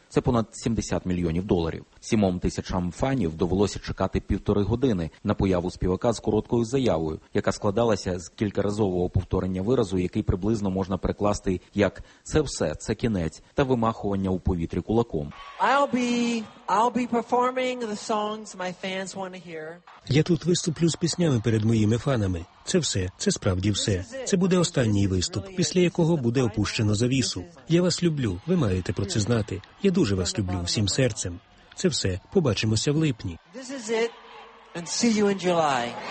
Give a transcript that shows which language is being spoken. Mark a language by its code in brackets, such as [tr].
[uk] Це понад 70 мільйонів доларів. 7 тисячам фанів довелося чекати 1.5 години на появу співака з короткою заявою, яка складалася з кількаразового повторення виразу, який приблизно можна перекласти як «це все, це кінець» та вимахування у повітрі кулаком. [en] I'll be performing the songs my fans want to hear. [uk] Я тут виступлю з піснями перед моїми фанами. Це все, це справді все. Це буде останній виступ, після якого буде опущено завісу. Я вас люблю, ви маєте про це знати. Я дуже вас люблю всім серцем. Це все. Побачимося в липні. [en] This is it. And see you in July.